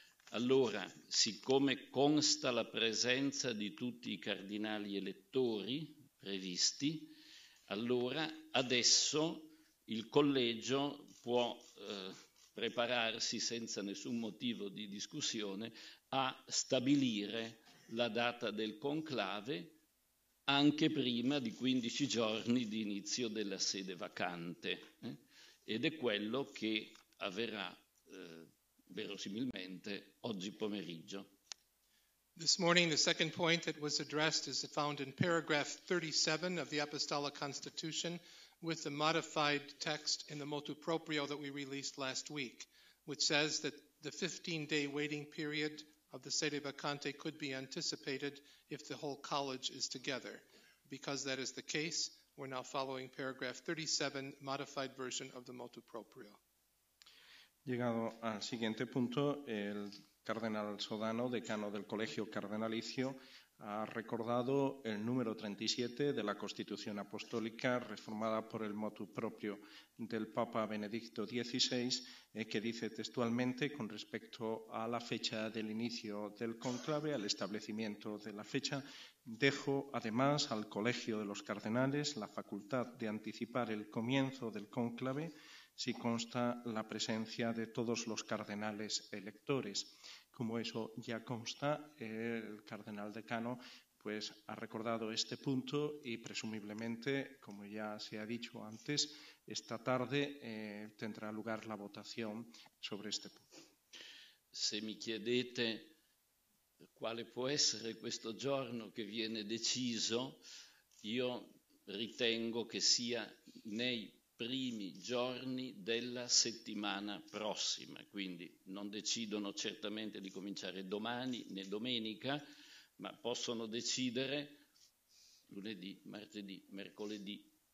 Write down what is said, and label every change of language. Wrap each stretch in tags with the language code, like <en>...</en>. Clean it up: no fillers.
<it>Allora, siccome consta la presenza di tutti i cardinali elettori previsti, allora adesso il collegio può prepararsi senza nessun motivo di discussione a stabilire la data del conclave anche prima di 15 giorni di inizio della sede vacante. Ed è quello che avverrà verosimilmente oggi pomeriggio.</it> <en>This morning the second point that was addressed is found in paragraph 37 of the Apostolic Constitution, with the modified text in the motu proprio that we released last week, which says that the 15-day waiting period of the sede vacante could be anticipated if the whole college is together. Because that is the case, we're now following paragraph 37, modified version of the motu proprio.</en> <es>Llegado al siguiente punto, el cardenal Sodano, decano del Colegio Cardenalicio, ha recordado el número 37 de la Constitución Apostólica, reformada por el motu proprio del Papa Benedicto XVI, que dice textualmente, con respecto a la fecha del inicio del conclave, al establecimiento de la fecha: dejo además al Colegio de los Cardenales la facultad de anticipar el comienzo del conclave si consta la presencia de todos los cardenales electores. Como eso ya consta, el cardenal decano pues ha recordado este punto y presumiblemente, como ya se ha dicho antes, esta tarde tendrá lugar la votación sobre este punto.</es> <it>Se mi chiedete quale può essere questo giorno che viene deciso, io ritengo che sia nei primi giorni della settimana prossima, quindi non decidono certamente di cominciare domani né domenica, ma possono decidere lunedì, martedì, mercoledì,</it>